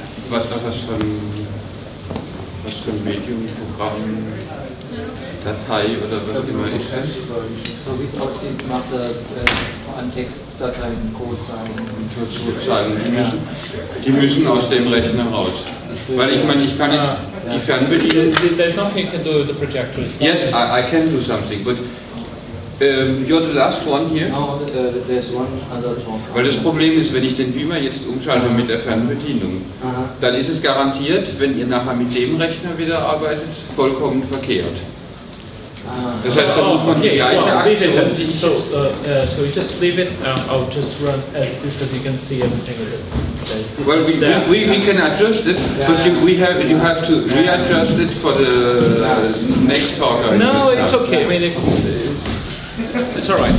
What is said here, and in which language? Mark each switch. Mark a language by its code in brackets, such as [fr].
[de] Was war das für ein, was für ein Medium, Programm, Datei oder was immer ich weiß? So wie es aussieht, macht er vor allem Textdateien, Code zeigen. Die müssen aus dem Rechner raus. Weil ich meine, ich kann nicht die Fernbedienung. [en] There's nothing you can do with the projector. Yes, I can do something, but you're the last one here. No, there's one other talk. [de] Weil das Problem ist, wenn ich den Beamer jetzt umschalte mit der Fernbedienung, dann ist es garantiert, wenn ihr nachher mit dem Rechner wieder arbeitet, vollkommen verkehrt. Das heißt, da muss man die gleiche Aktion, die ich. [en] So you just leave it, I'll just run as this, because you can see everything with it. Well, we can adjust it, but you have to readjust it for the next talk. No, it's okay. I mean, it's all right.